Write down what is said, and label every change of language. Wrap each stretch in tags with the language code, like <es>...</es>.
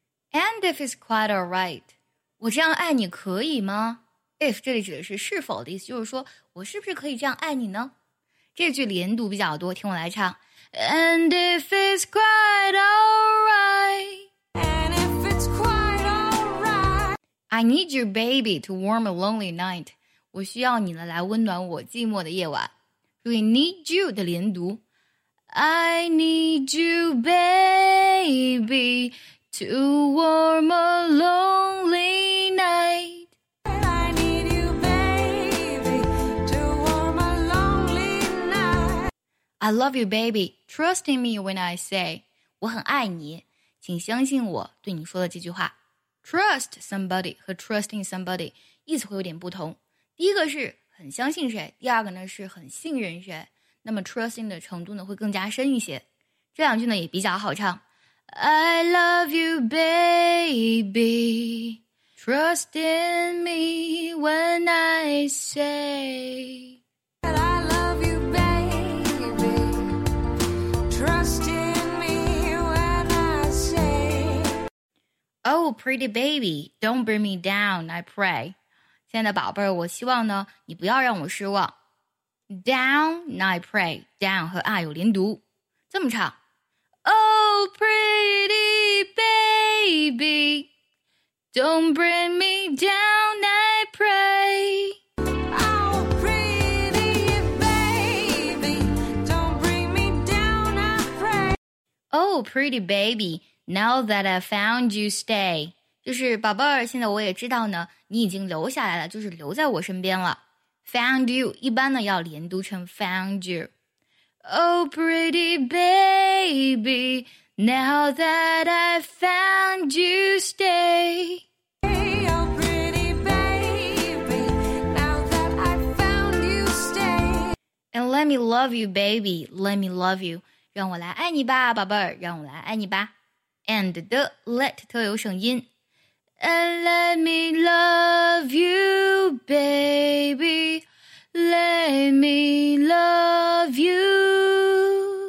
<en>And if it's quite all right,</en> <zh>我这样爱你可以吗？ If 这里指的是是否的意思，就是说我是不是可以这样爱你呢？这句连读比较多，听我来唱。</zh> <en>And if it's quite all right, And if it's quite all right, I need your baby to warm a lonely night.</en> <zh>我需要你来温暖我寂寞的夜晚。注意 need you 的连读。</zh> <en>I need you, baby. To warm a lonely night. I need you, baby. To warm a lonely night. I love you, baby. Trust in me when I say.</en> <zh>我很爱你，请相信我对你说的这句话。 Trust somebody 和 trusting somebody 意思会有点不同。第一个是很相信谁，第二个呢是很信任谁。那么 trusting 的程度呢会更加深一些。这两句呢也比较好唱。</zh> <en>I love you, baby. Trust in me when I say. But I love you, baby. Trust in me when I say. Oh, pretty baby, don't bring me down, I pray.</en> <zh>亲爱的宝贝儿，我希望呢，你不要让我失望。</zh> <en>Down, I pray.</en> <zh>Down 和 I 有连读，这么唱。</zh> <en>Oh, pretty baby, don't bring me down, I pray. Oh, pretty baby, don't bring me down, I pray. Oh, pretty baby, now that I found you stay.</en> <zh>就是宝贝儿，现在我也知道呢，你已经留下来了，就是留在我身边了。</zh> <en>Found you,</en> <zh>一般呢要连读成</zh> <en>found you. Oh, pretty baby, now that I found you stay. Oh, pretty baby, now that I found you stay. And let me love you, baby, let me love you.</en> <zh>让我来爱你吧，宝贝儿，让我来爱你吧。</zh> <en>And the let</en> <zh>特有声音。</zh> <en>And let me love you, baby, let me love you.</en>